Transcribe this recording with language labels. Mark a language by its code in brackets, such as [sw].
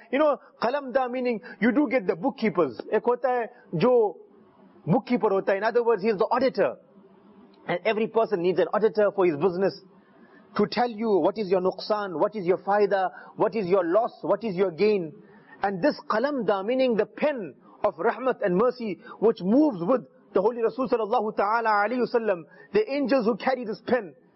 [en] You know, قلم دان meaning, you do get the bookkeepers. [ur] ایک ہوتا ہے جو bookkeeper ہوتا ہے. [en] In other words, he is the auditor. And every person needs an auditor for his business. To tell you what is your nuqsan, what is your faida, what is your loss, what is your gain. And this qalamda, meaning the pen of rahmat and mercy, which moves with the Holy Rasul sallallahu ta'ala alayhi wa sallam, the angels who carry this pen.